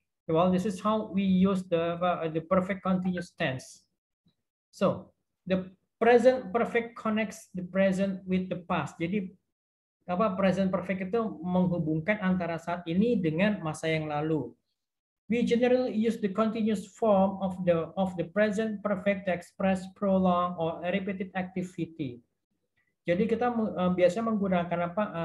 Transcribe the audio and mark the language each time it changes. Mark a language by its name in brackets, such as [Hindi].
[English] Well, this is how we use the perfect continuous tense. So the present perfect connects the present with the past. [Indonesian] Jadi apa present perfect itu menghubungkan antara saat ini dengan masa yang lalu. [English] We generally use the continuous form of the present perfect to express prolonged or repeated activity. [Indonesian] Jadi kita biasanya menggunakan apa?